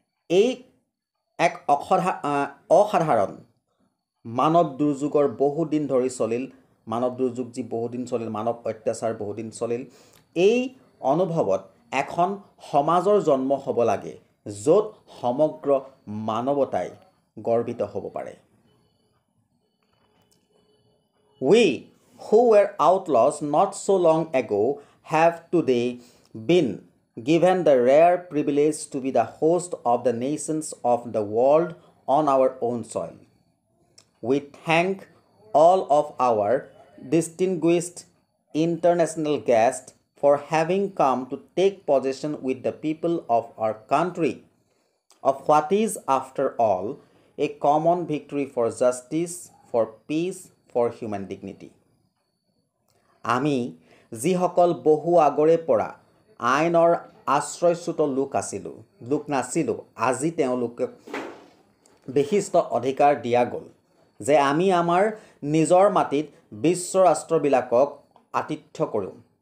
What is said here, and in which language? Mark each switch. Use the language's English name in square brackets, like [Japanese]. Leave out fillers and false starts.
[Assamese] এই এক অসাধাৰণ মানৱ দুৰ্যোগৰ বহুদিন ধৰি চলিল, মানৱ দুৰ্যোগ যি বহুদিন চলিল, মানৱ অত্যাচাৰ বহুদিন চলিল, এই অনুভৱত এখন সমাজৰ জন্ম হ'ব লাগে য'ত সমগ্ৰ মানৱতাই গৰ্বিত হ'ব পাৰে। [English] We, who were outlaws not so long ago, have today been given the rare privilege to be the host of the nations of the world on our own soil. We thank all of our distinguished international guests for having come to take possession with the people of our country of what is, after all, a common victory for justice, for peace, for human dignity. [Assamese] আমি যিসকল বহু আগৰে পৰা আইনৰ আশ্ৰয়চ্যুত লোক নাছিলোঁ, আজি তেওঁলোকক বিশিষ্ট অধিকাৰ দিয়া গ'ল যে আমি আমাৰ নিজৰ মাটিত বিশ্ব ৰাষ্ট্ৰবিলাকক আতিথ্য কৰোঁ।